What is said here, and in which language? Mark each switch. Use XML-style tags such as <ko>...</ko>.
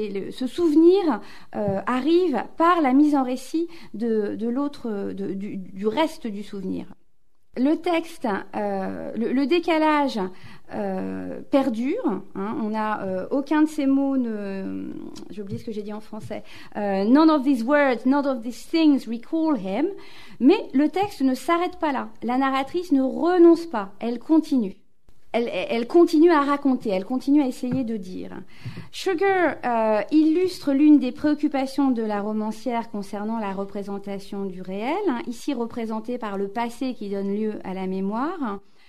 <fr>Ce souvenir arrive par la mise en récit du reste du souvenir. Le texte, le décalage perdure. Hein, on a aucun de ces mots ne. J'ai oublié ce que j'ai dit en français.</fr> <en>None of these words, none of these things recall him.</en> <fr>Mais le texte ne s'arrête pas là. La narratrice ne renonce pas. Elle continue. Elle continue à raconter, elle continue à essayer de dire. Sugar illustre l'une des préoccupations de la romancière concernant la représentation du réel, hein, ici représentée par le passé qui donne lieu à la mémoire.</fr>